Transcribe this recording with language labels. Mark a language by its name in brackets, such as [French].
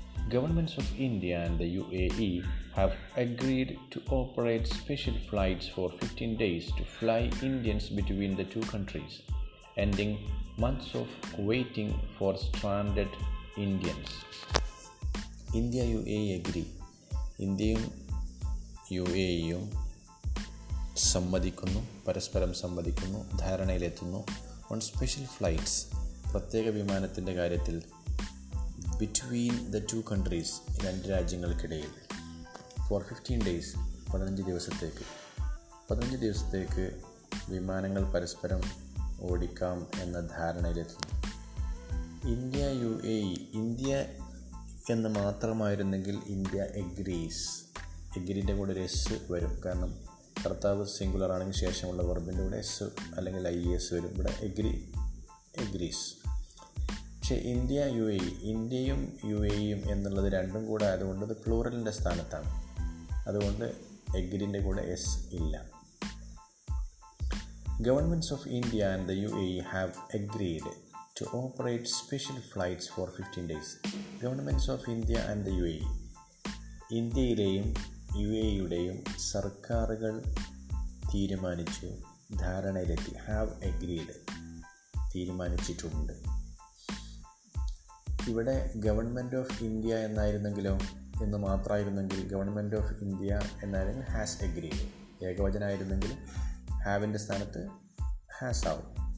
[English] Governments of India and the UAE have agreed to operate special flights for 15 days to fly Indians between the two countries, ending months of waiting for stranded Indians. India UAE agree. [Malayalam] ഇന്ത്യയും U A ഇയും സമ്മതിക്കുന്നു, പരസ്പരം സമ്മതിക്കുന്നു, ധാരണയിലെത്തുന്നു. [English] on special flights, [Malayalam] പ്രത്യേക വിമാനത്തിൻ്റെ കാര്യത്തിൽ, [English] between the two countries, [Malayalam] രണ്ട് രാജ്യങ്ങൾക്കിടയിൽ, [English] for 15 days, [Malayalam] 15 ദിവസത്തേക്ക്. 15 ദിവസത്തേക്ക് വിമാനങ്ങൾ പരസ്പരം ഓടിക്കാം എന്ന ധാരണയിലെത്തുന്നു. India U A E, India എന്ന് മാത്രമായിരുന്നെങ്കിൽ ഇന്ത്യ എഗ്രീസ്, എഗ്രീൻ്റെ കൂടെ ഒരു എസ് വരും, കാരണം കർത്താവ് സിംഗുലർ ആണെങ്കിൽ ശേഷമുള്ള വെർബിൻ്റെ കൂടെ എസ് അല്ലെങ്കിൽ ഐ എസ് വരും, ഇവിടെ എഗ്രീസ്. പക്ഷേ ഇന്ത്യ യു എ ഇ, ഇന്ത്യയും യു എ ഇയും എന്നുള്ളത് രണ്ടും കൂടെ ആയതുകൊണ്ട് അത് പ്ലൂറലിൻ്റെ സ്ഥാനത്താണ്, അതുകൊണ്ട് എഗ്രീൻ്റെ കൂടെ എസ് ഇല്ല. [English] Governments of India and the UAE have agreed to operate special flights for 15 days. Governments of India and the UAE, [Malayalam] ഇന്ത്യയിലെയും യു എ ഇയുടെയും സർക്കാരുകൾ തീരുമാനിച്ചു, ധാരണയിലെത്തി, [English] have agreed, [Malayalam] തീരുമാനിച്ചിട്ടുണ്ട്. ഇവിടെ ഗവൺമെൻറ് ഓഫ് ഇന്ത്യ എന്നായിരുന്നെങ്കിലോ എന്ന് മാത്രമായിരുന്നെങ്കിൽ ഗവൺമെൻറ് ഓഫ് ഇന്ത്യ എന്നായിരുന്നു [English] has agreed, [Malayalam] ഏകവചനമായിരുന്നെങ്കിൽ ഹാവിൻ്റെ സ്ഥാനത്ത് has ആവും.